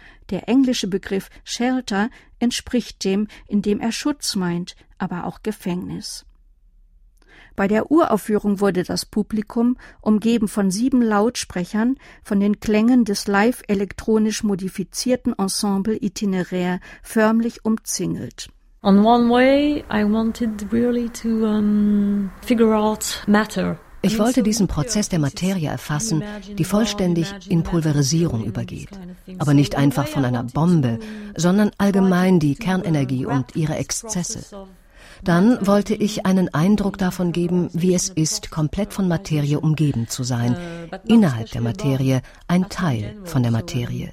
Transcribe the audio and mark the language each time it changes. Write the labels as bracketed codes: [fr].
[de] Der englische Begriff Shelter entspricht dem, in dem er Schutz meint, aber auch Gefängnis. Bei der Uraufführung wurde das Publikum, umgeben von 7 Lautsprechern, von den Klängen des live elektronisch modifizierten Ensemble Itinéraire förmlich umzingelt. [en] On one way, I wanted really to figure out matter. [de] Ich wollte diesen Prozess der Materie erfassen, die vollständig in Pulverisierung übergeht. Aber nicht einfach von einer Bombe, sondern allgemein die Kernenergie und ihre Exzesse. Dann wollte ich einen Eindruck davon geben, wie es ist, komplett von Materie umgeben zu sein, innerhalb der Materie, ein Teil von der Materie.